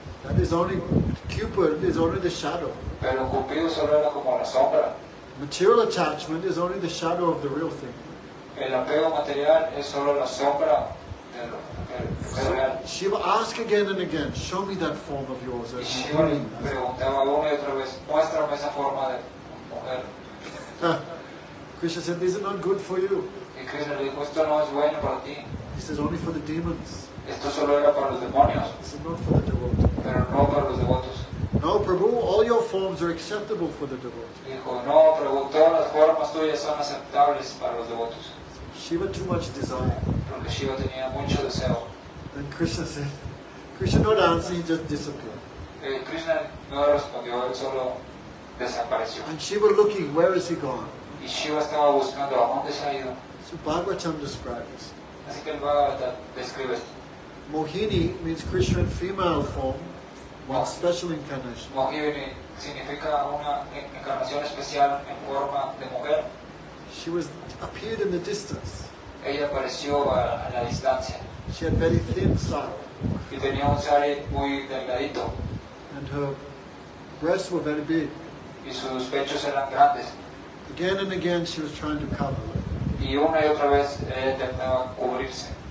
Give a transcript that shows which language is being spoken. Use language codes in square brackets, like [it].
[en] That is only, Cupid is only the shadow. [es] Pero Cupido solo era como la sombra. [en] Material attachment is only the shadow of the real thing. [es] El apego material es solo la sombra del real. [en] Shiva asked again and again, show me that form of yours. [es] Y Shiva preguntaba una y otra vez, muéstrame esa forma de mujer. [en] Krishna said, this is not good for you. [es] Y Krishna le dijo, esto no es bueno para ti. [en] He says, only for the demons. [es] Esto solo era para los demonios. [en] He said, not for the devotees. [es] Pero no para los devotos. [en] No, Prabhu, all your forms are acceptable for the devotees. [es] Dijo, no, Prabhu, todas las formas tuyas son aceptables para los devotos. [en] Shiva too much desire. [es] Porque Shiva tenía mucho deseo. [en] Then Krishna said, Krishna not answer, he just disappeared. [es] Krishna no respondió, él solo desapareció. [en] And Shiva looking, where is he gone? [es] Y Shiva estaba buscando, ¿a dónde se ha ido? [en] So Bhagavatam describes. [es] Así que el Bhagavatam describe esto. [en] Mohini means Krishna in female form, one special incarnation. [es] Mohini significa una encarnación especial en forma de mujer. [en] She was appeared in the distance. [es] Ella apareció a la distancia. [en] She had very thin sari. [es] Y tenía un sari muy delgadito. [en] And her breasts were very big. [es] Y sus pechos eran grandes. [en] Again and again she was trying to cover it. [es] Y una y otra vez ella intentaba cubrirse.